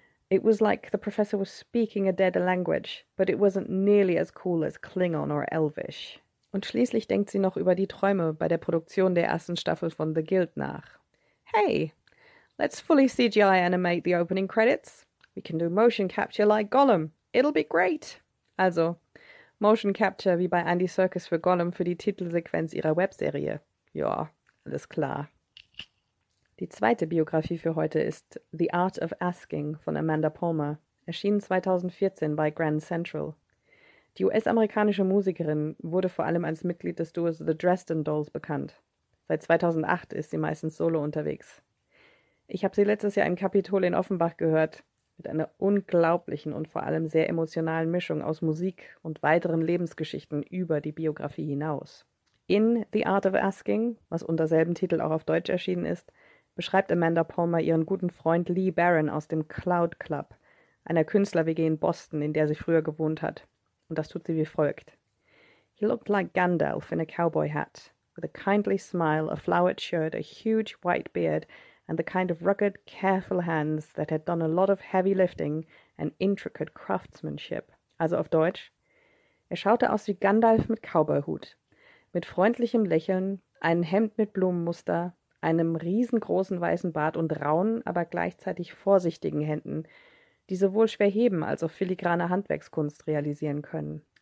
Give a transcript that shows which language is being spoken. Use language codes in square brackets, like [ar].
[en] It was like the professor was speaking a dead language, but it wasn't nearly as cool as Klingon or Elvish. [de] Und schließlich denkt sie noch über die Träume bei der Produktion der ersten Staffel von The Guild nach. [en] Hey, let's fully CGI animate the opening credits. We can do motion capture like Gollum. It'll be great. [de] Also, motion capture wie bei Andy Serkis für Gollum für die Titelsequenz ihrer Webserie. Ja, alles klar. Die zweite Biografie für heute ist The Art of Asking von Amanda Palmer, erschienen 2014 bei Grand Central. Die US-amerikanische Musikerin wurde vor allem als Mitglied des Duos The Dresden Dolls bekannt. Seit 2008 ist sie meistens solo unterwegs. Ich habe sie letztes Jahr im Kapitol in Offenbach gehört, mit einer unglaublichen und vor allem sehr emotionalen Mischung aus Musik und weiteren Lebensgeschichten über die Biografie hinaus. In The Art of Asking, was unter selben Titel auch auf Deutsch erschienen ist, beschreibt Amanda Palmer ihren guten Freund Lee Barron aus dem Cloud Club, einer Künstler-WG in Boston, in der sie früher gewohnt hat. Und das tut sie wie folgt. [en] He looked like Gandalf in a cowboy hat, with a kindly smile, a flowered shirt, a huge white beard, and the kind of rugged, careful hands that had done a lot of heavy lifting and intricate craftsmanship. [de] Also auf Deutsch. Er schaute aus wie Gandalf mit Cowboyhut, mit freundlichem Lächeln, einem Hemd mit Blumenmuster, einem riesengroßen weißen Bart und rauen, aber gleichzeitig vorsichtigen Händen, die sowohl schwer heben als auch filigrane Handwerkskunst realisieren können.